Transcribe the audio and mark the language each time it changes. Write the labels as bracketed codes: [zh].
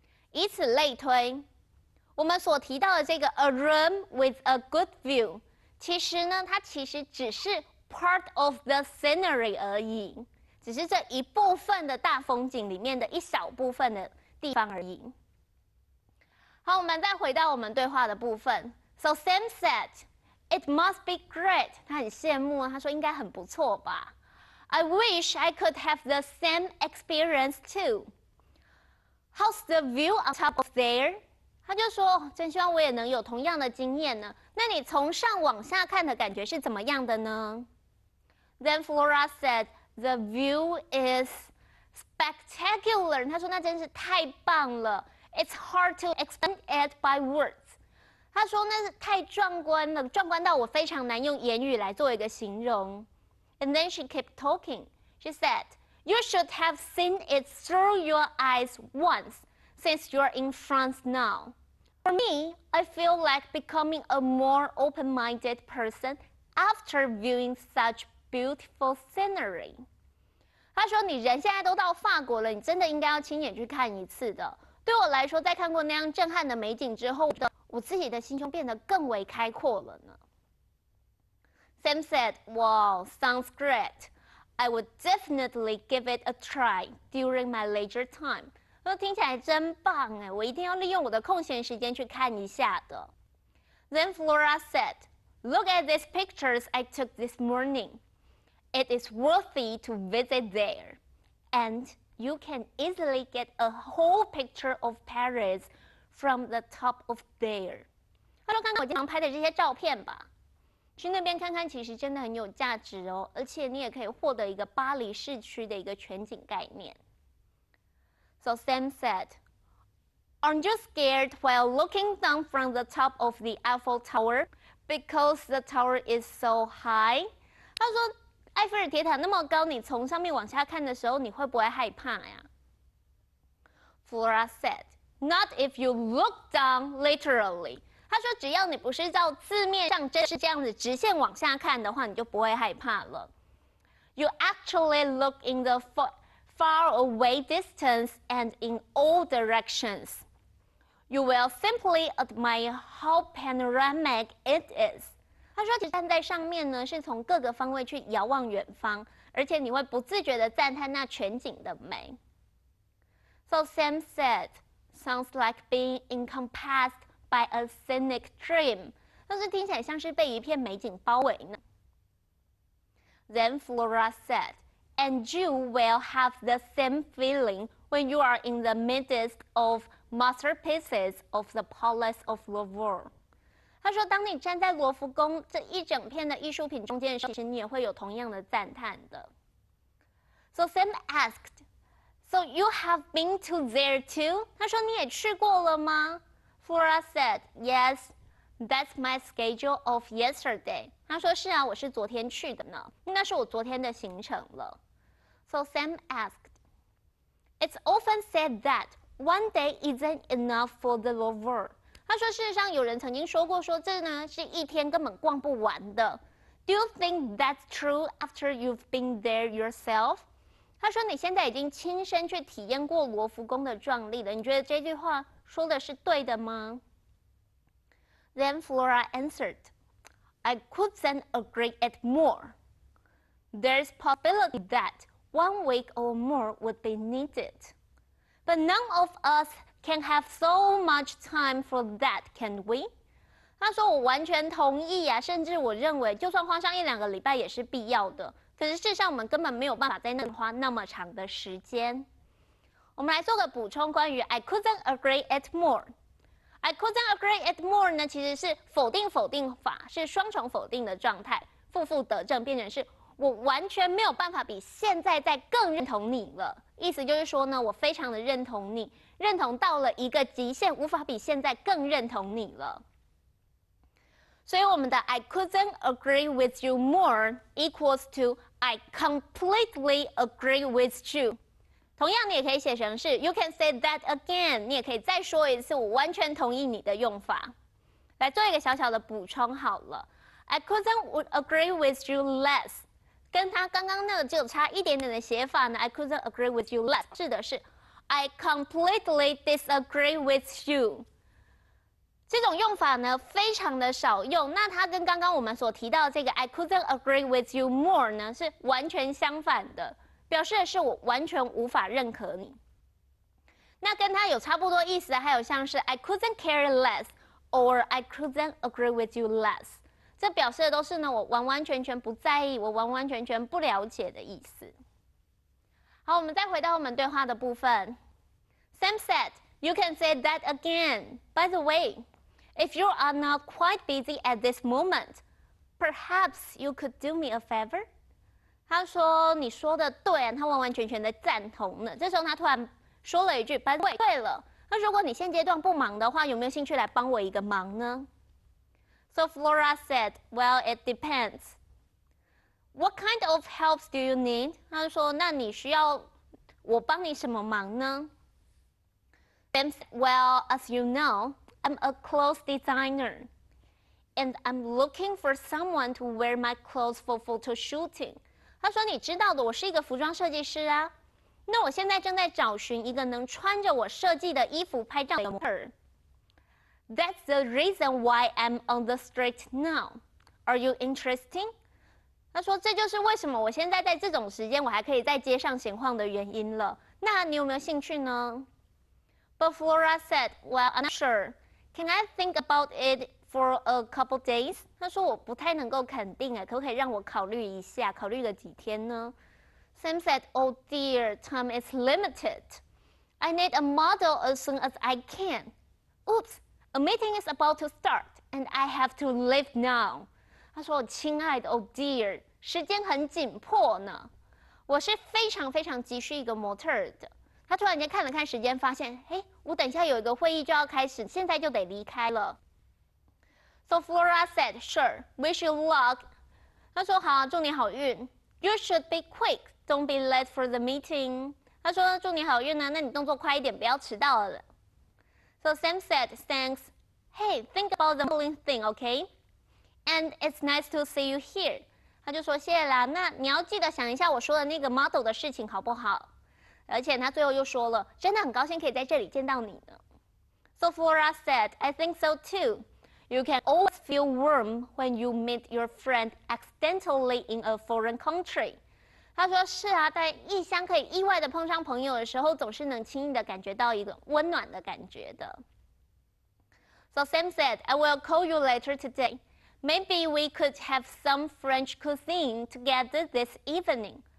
[zh] 以此类推，我们所提到的这个 [en] a room with a good view， [zh] 其实呢，它其实只是 [en] part of the scenery [zh] 而已，只是这一部分的大风景里面的一小部分的地方而已。好，我们再回到我们对话的部分。 [en] So Sam said, "It must be great." [zh] 他很羡慕，他说应该很不错吧。 [en] I wish I could have the same experience too. How's the view on top of there? [zh] 他就说，真希望我也能有同样的经验呢。那你从上往下看的感觉是怎么样的呢？ [en] Then Flora said. The view is spectacular. [zh] 他说那真是太棒了。 [en] It's hard to explain it by words. [zh] 他说那是太壮观了，壮观到我非常难用言语来做一个形容。 [en] And then she kept talking. She said, "You should have seen it through your eyes once, since you're in France now. For me, I feel like becoming a more open-minded person after viewing such." Beautiful scenery. [zh] 他说你人现在都到法国了，你真的应该要亲眼去看一次的。对我来说，在看过那样震撼的美景之后，我觉得我自己的心胸变得更为开阔了呢。 [en] Sam said, "Wow, sounds great. I would definitely give it a try during my leisure time." [zh] 他说听起来真棒耶，我一定要利用我的空闲时间去看一下的。 [en] Then Flora said, "Look at these pictures I took this morning. It is worthy to visit there. And you can easily get a whole picture of Paris from the top of there." [zh] 他说看看我经常拍的这些照片吧，去那边看看其实真的很有价值哦，而且你也可以获得一个巴黎市区的一个全景概念。 [en] So Sam said, "Aren't you scared while looking down from the top of the Eiffel Tower because the tower is so high?" [zh] 他说埃菲尔铁塔那么高，你从上面往下看的时候，你会不会害怕呀？ [en] Flora said, "Not if you look down literally." [zh] 他说只要你不是照字面上真是这样子直线往下看的话，你就不会害怕了。 [en] You actually look in the far away distance and in all directions. You will simply admire how panoramic it is. [zh] 他说其实站在上面呢，是从各个方位去遥望远方，而且你会不自觉地赞叹那全景的美。 [en] So Sam said, "Sounds like being encompassed by a scenic dream." [zh] 但是听起来像是被一片美景包围呢。 [en] Then Flora said, "And you will have the same feeling when you are in the midst of masterpieces of the Palace of Louvre." [zh] 他说当你站在罗浮宫这一整片的艺术品中间的时候，其实你也会有同样的赞叹的。 [en] So Sam asked, "So you have been to there too?" [zh] 他说你也去过了吗？ [en] Flora said, "Yes, that's my schedule of yesterday." [zh] 他说是啊，我是昨天去的呢，那是我昨天的行程了。 [en] So Sam asked, "It's often said that one day isn't enough for the lover." [zh] 他说事实上有人曾经说过说这呢是一天根本逛不完的。 [en] Do you think that's true after you've been there yourself? [zh] 他说你现在已经亲身去体验过罗浮宫的壮丽了，你觉得这句话说的是对的吗？ [en] Then Flora answered, I couldn't agree it more. There's possibility that one week or more would be needed. But none of us can have so much time for that, can we? [zh] 他说我完全同意啊，甚至我认为就算花上一两个礼拜也是必要的。可是事实上我们根本没有办法在那花那么长的时间。我们来做个补充，关于 [en] I couldn't agree it more。 [zh] I couldn't agree it more 呢，其实是否定否定法，是双重否定的状态，负负得正，变成是我完全没有办法比现在再更认同你了。意思就是说呢，我非常的认同你，认同到了一个极限，无法比现在更认同你了。所以我们的 [en] I couldn't agree with you more equals to I completely agree with you。 [zh] 同样你也可以写成是 [en] You can say that again， [zh] 你也可以再说一次我完全同意你的用法。来做一个小小的补充好了， [en] I couldn't agree with you less [zh] 跟他刚刚那个只有差一点点的写法呢， I couldn't agree with you less 指的是 [en] I completely disagree with you。 [zh] 这种用法呢非常的少用，那它跟刚刚我们所提到的这个 [en] I couldn't agree with you more [zh] 呢是完全相反的，表示的是我完全无法认可你。那跟它有差不多意思还有像是 [en] I couldn't care less or I couldn't agree with you less， [zh] 这表示的都是呢我完完全全不在意，我完完全全不了解的意思。好，我们再回到我们对话的部分。 [en] Sam said You can say that again. By the wayIf you are not quite busy at this moment, perhaps you could do me a favor? [zh] 他说你说的对，他完完全全的赞同了。这时候他突然说了一句，班委对了，那如果你现阶段不忙的话，有没有兴趣来帮我一个忙呢？ [en] So Flora said, well, it depends. What kind of help do you need? [zh] 他说那你需要我帮你什么忙呢？ [en] Sam said, well, as you know,I'm a clothes designer, and I'm looking for someone to wear my clothes for photo shooting. [zh] 他说你知道的，我是一个服装设计师啊。那我现在正在找寻一个能穿着我设计的衣服拍照的模特。 [en] That's the reason why I'm on the street now. Are you interested? [zh] 他说这就是为什么我现在在这种时间我还可以在街上闲晃的原因了。那你有没有兴趣呢？ [en] But Flora said, well, I'm not sure. Can I think about it for a couple days? [zh] 他说我不太能够肯定，可不可以让我考虑一下，考虑个几天呢？ [en] Sam said, oh dear, time is limited. I need a model as soon as I can. Oops, a meeting is about to start, and I have to leave now. [zh] 他说我亲爱的， [en] oh dear, [zh] 时间很紧迫呢。我是非常非常急需一个模特的。他突然间看了看时间，发现，嘿，我等一下有一个会议就要开始，现在就得离开了。 [en] So Flora said, sure, wish you luck. [zh] 他说好，祝你好运。 [en] You should be quick, don't be late for the meeting. [zh] 他说祝你好运呢，那你动作快一点，不要迟到了。 [en] So Sam said, thanks. Hey, think about the modeling thing, okay? And it's nice to see you here. [zh] 他就说谢啦，那你要记得想一下我说的那个 model 的事情，好不好？而且他最后又说了，真的很高兴可以在这里见到你呢。 [en] So Flora said, I think so too. You can always feel warm when you meet your friend accidentally in a foreign country. [zh] 他说是啊，在异乡可以意外的碰上朋友的时候，总是能轻易的感觉到一个温暖的感觉的。 [en] So Sam said, I will call you later today. Maybe we could have some French cuisine together this evening.